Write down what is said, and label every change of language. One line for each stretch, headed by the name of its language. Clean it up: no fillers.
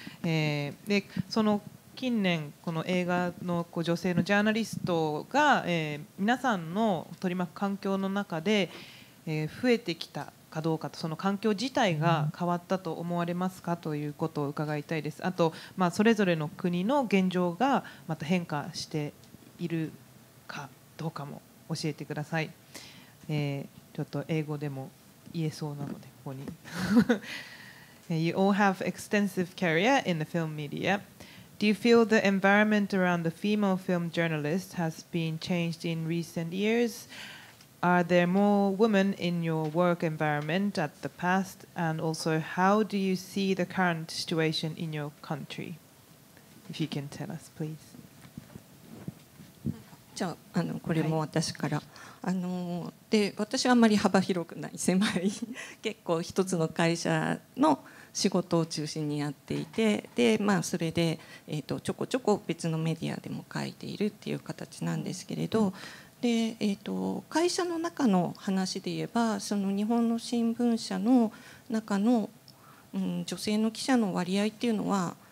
Japanese: で、その近年この映画の女性のジャーナリストが、皆さんの取り巻く環境の中で増えてきたかどうかと、その環境自体が変わったと思われますかということを伺いたいです。あと、まあ、それぞれの国の現状がまた変化しているかどうかも教えてください。ちょっと英語でも言えそうなのでここに。
English: You all have extensive career in the film media. Do you feel the environment around the female film journalist has been changed in recent years? Are there more women in your work environment at the past? And also, how do you see the current situation in your country? If you can tell us, please.
Japanese: じゃあ、 あのこれも私から、はい、あので私はあまり幅広くない、狭い結構一つの会社の仕事を中心にやっていて、で、まあ、それで、ちょこちょこ別のメディアでも書いているっていう形なんですけれど、で会社の中の話で言えば、その日本の新聞社の中の、女性の記者の割合っていうのは、